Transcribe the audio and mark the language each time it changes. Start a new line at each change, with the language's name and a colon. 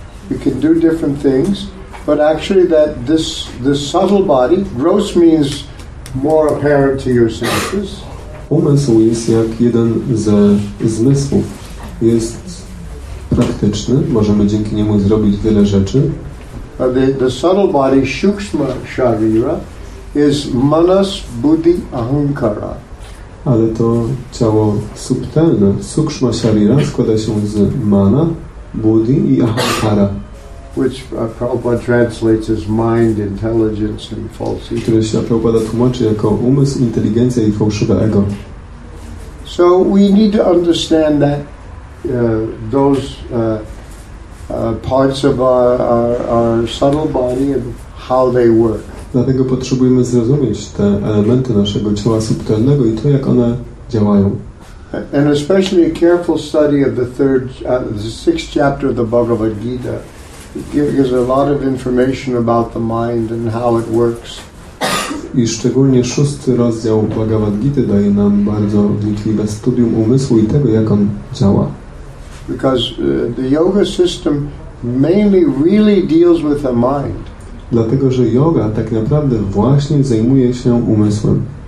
English: We can do different things, but actually, that this subtle body, gross means more apparent to your senses.
Polish: Umysł jest jak jeden ze zmysłów. Jest praktyczny, możemy dzięki niemu zrobić wiele rzeczy.
English: The subtle body, shukshma sharira, is manas buddhi ahankara.
Polish: Ale to ciało subtelne, sukshma sharira, składa się z mana, buddhi i ahankara.
English: Which Prabhupada translates as mind, intelligence, and false ego.
Polish: Które się Prabhupada tłumaczy jako umysł, inteligencja i fałszywe ego.
English: So we need to understand that those parts of our subtle body and how they work.
Polish: Dlatego potrzebujemy zrozumieć te elementy naszego ciała subtelnego i to, jak one działają.
English: And especially a careful study of the sixth chapter of the Bhagavad Gita gives a lot of information about the mind and how it works.
Polish: I szczególnie szósty rozdział Bhagavad Gita daje nam bardzo wnikliwe studium umysłu i tego, jak on działa.
English: Because the yoga system mainly really deals with the mind.
Polish: Dlatego, że yoga tak naprawdę właśnie zajmuje się umysłem.